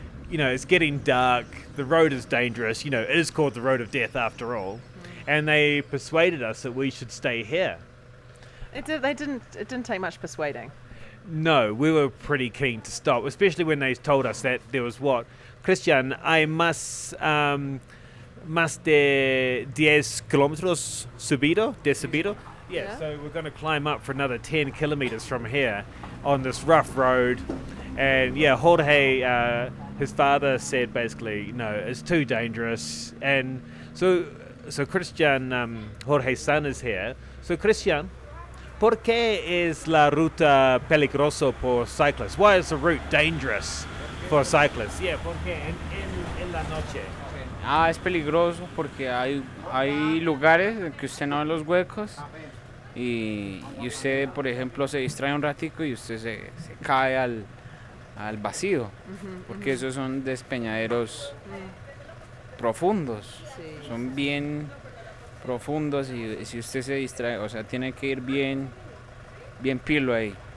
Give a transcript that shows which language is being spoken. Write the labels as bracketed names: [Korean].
[English] You know, it's getting dark, the road is dangerous, you know, it is called the road of death after all. Mm. And they persuaded us that we should stay here. It didn't take much persuading. No, we were pretty keen to stop, especially when they told us that there was what? [Spanish] Christian, hay más de 10 kilómetros subido. [English] Yeah, so we're going to climb up for another 10 kilometres from here on this rough road. And yeah, Jorge, his father said basically, you know, it's too dangerous. And so Christian, Jorge's son is here. [Spanish] So Christian, ¿por qué es la ruta peligroso por cyclists? [English] Why is the route dangerous for cyclists? [Spanish] Yeah, porque en la noche. Ah, es peligroso porque hay lugares que usted no ve los huecos. Y usted, por ejemplo, se distrae un ratico y usted se cae al vacío, porque esos son despeñaderos profundos, sí, son bien profundos, y si usted se distrae, o sea, tiene que ir bien pilo ahí.